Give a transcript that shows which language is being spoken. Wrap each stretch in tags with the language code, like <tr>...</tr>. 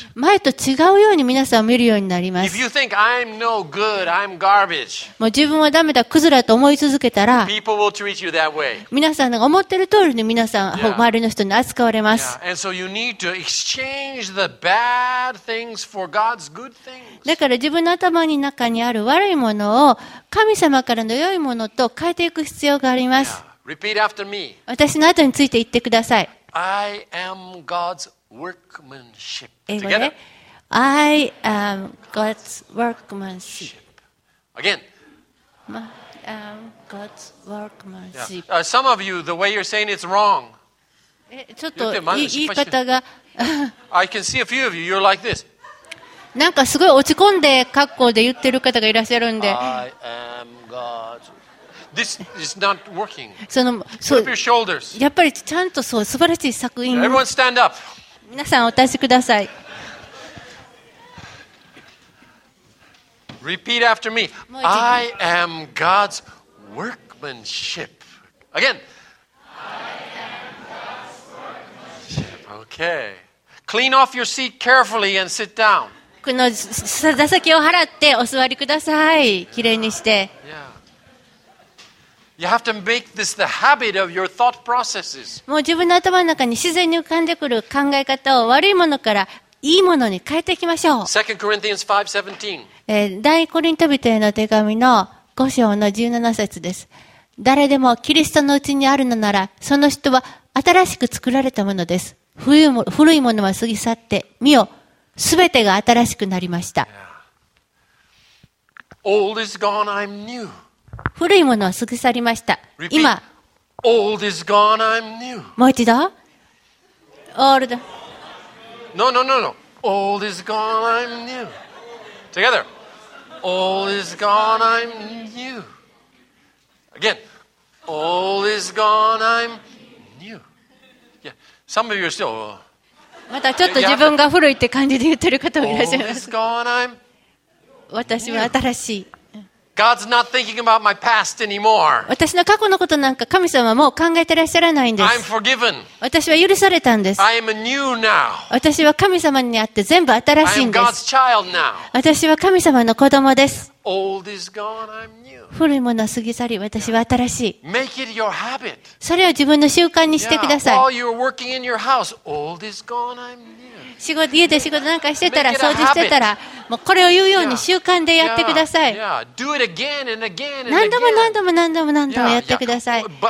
<ja>前と違うように皆さんを見るようになります。</ja> <en>If you think, I'm no good, I'm garbage.</en> <ja>もう自分はダメだクズだと思い続けたら、</ja> <en>People will treat you that way.</en> <ja>皆さんが思ってる通りに皆さん、yeah. 周りの人に扱われます、</ja> <en>yeah. And so you need to exchange the bad things for God's good things.</en> <ja>だから自分の頭の中にある悪いものを神様からの良いものと変えていく必要があります、</ja> <en>yeah. Repeat after me.</en> <ja>私の後について言ってください。</ja> <en>I am God'sWorkmanship.</en> <ja>英語で、</ja> <en>I am God's workmanship. Again. I am God's workmanship. Yeah. Some of you, the way you're saying it's wrong.</en> <ja>ちょっと言い方が。</ja> <en>I can see a few of you. You're like this.</en> <ja>なんかすごい落ち込んで格好で言ってる方がいらっしゃるんで。</ja> <en>I am God's. This is not working.</en> <ja>その、</ja> <en>そう、Flip your shoulders.</en> <ja>やっぱりちゃんとそう素晴らしい作品。</ja> <en>Everyone stand up.</en> <ja>皆さんお立ちください。</ja> <en>Repeat after me. I am God's workmanship. Again. I am God's workmanship. Okay. Clean off your seat carefully and sit down.</en> <ja>この座席を払ってお座りください。きれいにして。</ja> <en>Yeah. You have to make this the habit of your thought processes.</en> <ja>もう自分の頭の中に自然に浮かんでくる考え方を悪いものからいいものに変えていきましょう。</ja> <en>2 Corinthians 5:17.</en> <ja>第コリント人への手紙の5章の17節です。誰でもキリストのうちにあるのなら、その人は新しく作られたものです。古いものは過ぎ去って、見よ、すべてが新しくなりました。</ja> <en>Yeah. Old is gone, I'm new.</en> <ja>古いものは過ぎ去りました。</ja> <en>今、Old is gone, I'm new.</en> <ja>もう一度、Old.</ja> <en>No, no, no, no. Old is gone, I'm new. Together. Old is gone, I'm new. Again. Old is gone, I'm new. Yeah. Some of you are still.</en> <ja>またちょっと自分が古いって感じで言ってる方もいらっしゃいます。</ja> <en>Old is gone, I'm</en> <ja>new. 私は新しい。</ja> <en>God's not thinking about my past anymore.</en> <ja>私の過去のことなんか神様はもう考えてらっしゃらないんです。</ja> <en>I'm forgiven.</en> <ja>私は許されたんです。</ja> <en>I am a new now.</en> <ja>私は神様にあって全部新しいんです。</ja> <en>I am God's child now.</en> <ja>私は神様の子供です。</ja> <en>Old is gone, I'm new.</en> <ja>古いものは過ぎ去り、私は新しい。</ja> <en>Make it your habit.</en> <ja>それを自分の習慣にしてください。</ja> <en>Yeah. While you're working in your house, old is gone, I'm new.</en> <ja>仕事、家で仕事なんかしてたら、掃除してたら、もうこれを言うように習慣でやってください。何度もやってください。</ja>